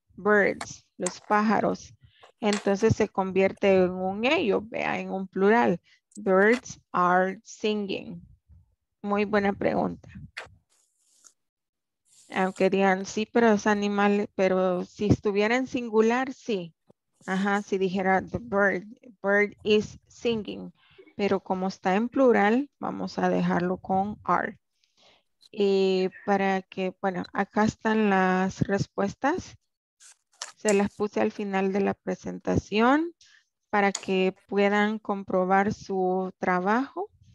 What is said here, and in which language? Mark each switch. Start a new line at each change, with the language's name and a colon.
Spanish: Birds, los pájaros. Entonces se convierte en un ello, vea, en un plural.
English: Birds are singing.
Spanish: Muy buena pregunta. Aunque digan, sí, pero es animal, pero si estuviera en singular, sí. Ajá, si dijera
English: the bird, bird is singing.
Spanish: Pero como está en plural, vamos a dejarlo con are. Y para que, bueno, acá están las respuestas. Se las puse al final de la presentación para que puedan comprobar su trabajo.